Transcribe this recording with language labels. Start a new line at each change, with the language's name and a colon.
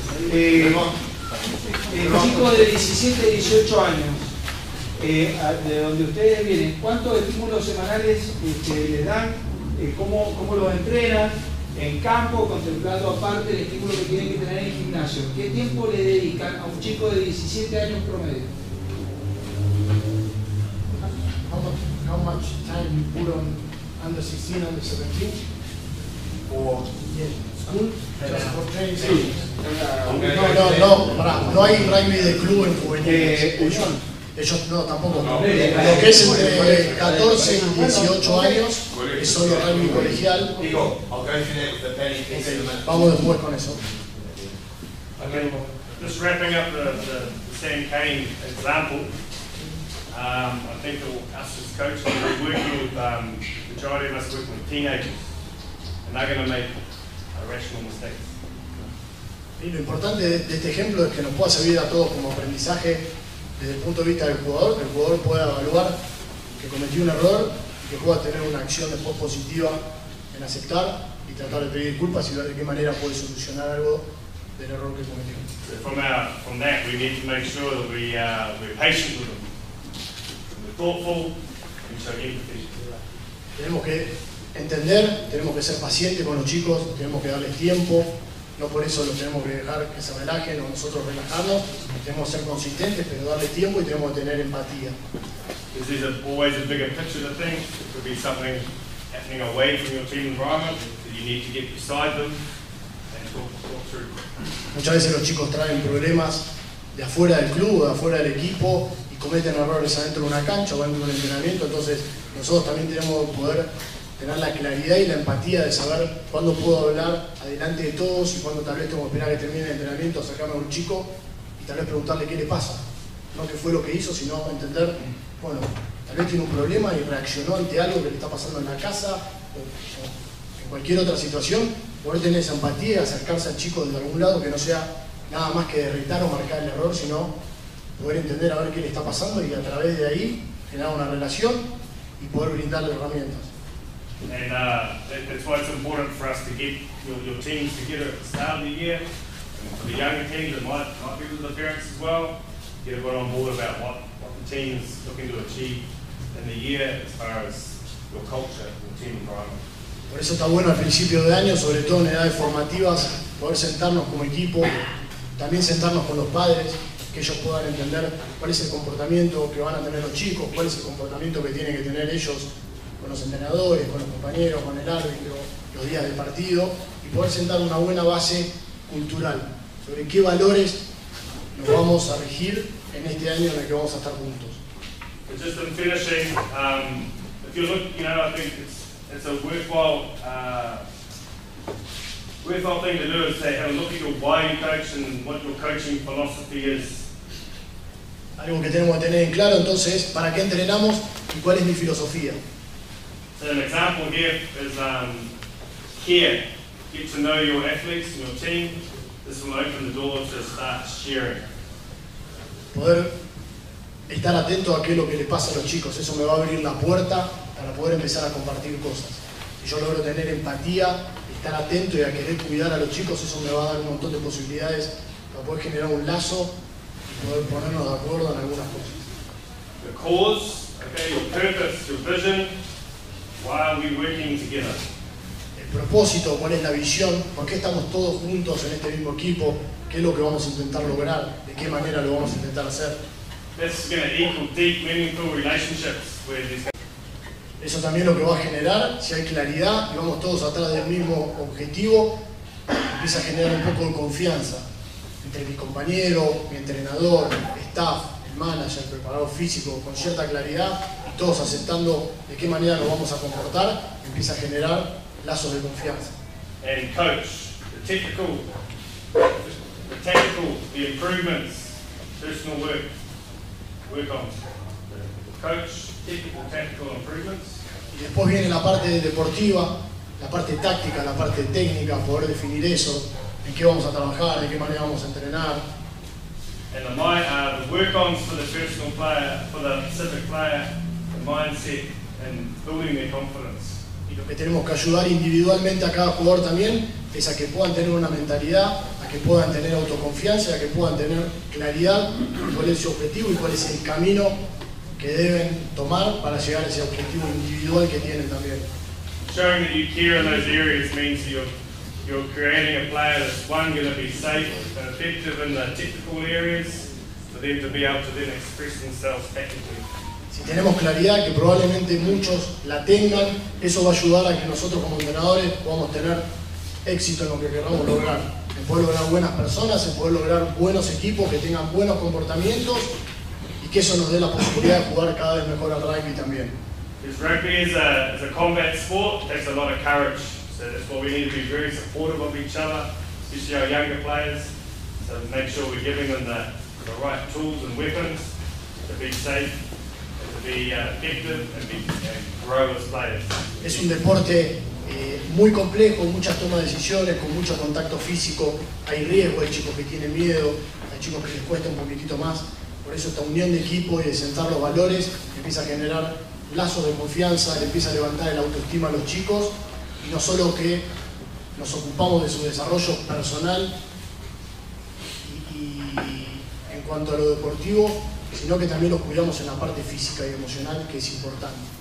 Spanish: chico de 17, 18 años, de donde ustedes vienen, ¿cuántos estímulos semanales les dan? ¿Cómo los entrenan? En campo, contemplando aparte el estímulo que tienen que tener en el gimnasio. ¿Qué tiempo le dedican a un chico de 17 años promedio?
English: How much time you put on under 16, under 17? Or yeah, school? Just for training.
Spanish: Sí. No, para, no hay rugby de club en juveniles. Ellos no, tampoco. Lo que es entre 14 y 18 años es solo rugby colegial. Digo,
English: okay, if you need the penny, it's in the
Spanish: vamos después con eso.
English: Okay. Just wrapping up the Sam Kane example. I think us as coaches, we're working with the majority of us working with teenagers, and they're going to make rational mistakes.
Spanish: Y lo importante de este ejemplo es que nos pueda servir a todos como aprendizaje. Desde el punto de vista del jugador, que el jugador pueda evaluar que cometió un error y que pueda tener una acción después positiva en aceptar y tratar de pedir disculpas y ver de qué manera puede solucionar algo del error que cometió.
English: From that, we need to make sure that we're patient with them, we're thoughtful, and show empathy.
Spanish: Tenemos que entender, tenemos que ser pacientes con los chicos, tenemos que darles tiempo. No por eso lo tenemos que dejar que se relajen o nosotros relajarnos. Tenemos que ser consistentes, pero darle tiempo y tenemos que tener empatía.
English: This is always a bigger picture of things. It could be something happening away from your team environment that you need to get beside them and talk through.
Spanish: Muchas veces los chicos traen problemas de afuera del club, de afuera del equipo, y cometen errores adentro de una cancha o dentro de un entrenamiento. Entonces nosotros también tenemos que poder tener la claridad y la empatía de saber cuándo puedo hablar adelante de todos y cuándo tal vez tengo que esperar que termine el entrenamiento, acercarme a un chico y tal vez preguntarle qué le pasa. No qué fue lo que hizo, sino entender, bueno, tal vez tiene un problema y reaccionó ante algo que le está pasando en la casa o en cualquier otra situación. Poder tener esa empatía y acercarse al chico de algún lado, que no sea nada más que derritar o marcar el error, sino poder entender a ver qué le está pasando y a través de ahí generar una relación y poder brindarle herramientas.
English: And that's why it's important for us to get your teams together at the start of the year, and for the younger teams that might be with the parents as well, get a bit on board about what the team is looking to achieve in the year as far as your culture, your team environment.
Spanish: Por eso está bueno al principio de año, sobre todo en edades formativas, poder sentarnos como equipo, también sentarnos con los padres, que ellos puedan entender cuál es el comportamiento que van a tener los chicos, cuál es el comportamiento que tienen que tener ellos con los entrenadores, con los compañeros, con el árbitro, los días de partido, y poder sentar una buena base cultural sobre qué valores nos vamos a regir en este año en el que vamos a estar juntos.
English: Just in finishing, if you look, you know, I think it's a worthwhile thing to do is to have a look at your why you coach and what your coaching philosophy is.
Spanish: Algo que tenemos que tener en claro entonces es para qué entrenamos y cuál es mi filosofía.
English: So an example here is care. Get to know your athletes and your team. This will open the door to start sharing.
Spanish: Poder estar atento a qué es lo que le pasa a los chicos. Eso me va a abrir la puerta para poder empezar a compartir cosas. Si yo logro tener empatía, estar atento y a querer cuidar a los chicos, eso me va a dar un montón de posibilidades para poder generar un lazo y poder ponernos de acuerdo en algunas cosas.
English: The cause, okay, your purpose, your vision. Why are we working together?
Spanish: El propósito, cuál es la visión, por qué estamos todos juntos en este mismo equipo, qué es lo que vamos a intentar lograr, de qué manera lo vamos a intentar hacer.
English: This is going to equal deep, meaningful relationships where
Spanish: eso también es lo que va a generar, si hay claridad y vamos todos atrás del mismo objetivo, empieza a generar un poco de confianza entre mi compañero, mi entrenador, staff, el manager, preparador físico, con cierta claridad. Todos aceptando de qué manera nos vamos a comportar, empieza a generar lazos de confianza.
English: And coach, the technical, the improvements, personal work on. Coach, technical improvements.
Spanish: Y después viene la parte deportiva, la parte táctica, la parte técnica, poder definir eso, en qué vamos a trabajar, de qué manera vamos a entrenar.
English: And the work on for the personal player, for the specific player. Mindset and building their confidence.
Spanish: y lo que tenemos que ayudar individualmente a cada jugador también es a que puedan tener una mentalidad, a que puedan tener autoconfianza, a que puedan tener claridad cuál es su objetivo y cuál es el camino que deben tomar para llegar a ese objetivo individual que tienen también.
English: Showing that you care in those areas means you're creating a player that's one, going to be safe and effective in the technical areas for them to be able to then express themselves technically.
Spanish: Si tenemos claridad, que probablemente muchos la tengan, eso va a ayudar a que nosotros como entrenadores podamos tener éxito en lo que queramos lograr. En poder lograr buenas personas, en poder lograr buenos equipos que tengan buenos comportamientos y que eso nos dé la posibilidad de jugar cada vez mejor al rugby también.
English: Because rugby is a combat sport, it takes a lot of courage. So that's why we need to be very supportive of each other, especially our younger players. So make sure we're giving them the right tools and weapons to be safe, and to be effective and be grow as players.
Spanish: Es un deporte muy complejo, muchas tomas de decisiones, con mucho contacto físico. Hay riesgo, hay chicos que tienen miedo, hay chicos que les cuesta un poquitito más. Por eso esta unión de equipo y de sentar los valores empieza a generar lazos de confianza, le empieza a levantar el autoestima a los chicos, y no solo que nos ocupamos de su desarrollo personal y en cuanto a lo deportivo, sino que también los cuidamos en la parte física y emocional, que es importante.